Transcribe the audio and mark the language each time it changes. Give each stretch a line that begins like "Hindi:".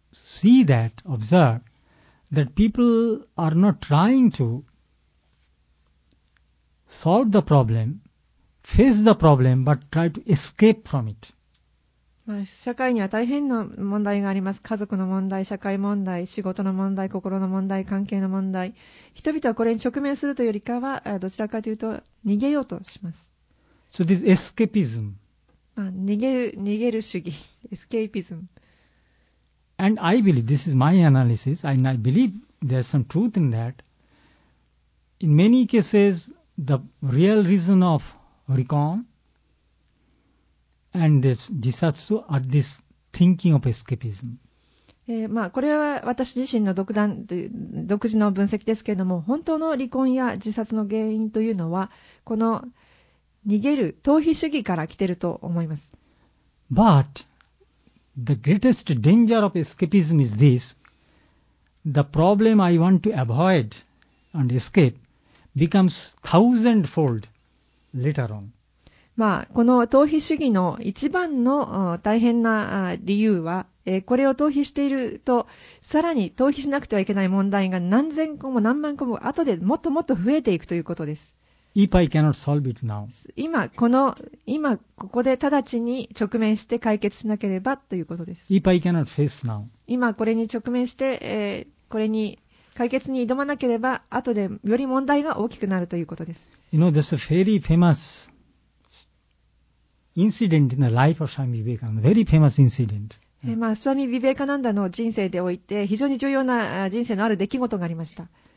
English: See that, observe, that people are not trying to solve the problem, face the problem, but try to escape from it.
Japanese: 社会には大変な問題があります。家族の問題、社会問題、仕事の問題、心の問題、関係の問題。人々はこれに直面するというよりかは、どちらかというと逃げようとします。
English: So this escapism.
Japanese: 逃げる主義、escapism.
English: And I believe, this is my analysis, and I believe there's some truth in that. In many cases, the real reason of Rikon and this Jisatsu are this thinking of escapism.
Japanese: これは私自身の独断、独自の分析ですけれども、本当の離婚や自殺の原因というのは、この逃げる、逃避主義から来ていると思います。
English: But,The greatest danger of escapism is this. The problem I want to avoid and escape becomes thousandfold later on.
Japanese: この逃避主義の一番の大変な理由は、これを逃避していると、さらに逃避しなくてはいけない問題が何千個も何万個も後でもっともっと増えていくということです。
English: If I cannot solve it now.
Japanese: 今ここで直ちに直面して解決しなければということです。
English: If I cannot face now.
Japanese: 今これに直面して、これに解決に挑まなければ、後でより問題が大きくなるということです。
English: You know, there's a very famous incident in the life of Swami Vivekananda. Very famous incident.
Japanese: スワミ・ビベーカナンダの人生でおいて、非常に重要な人生のある出来事がありました。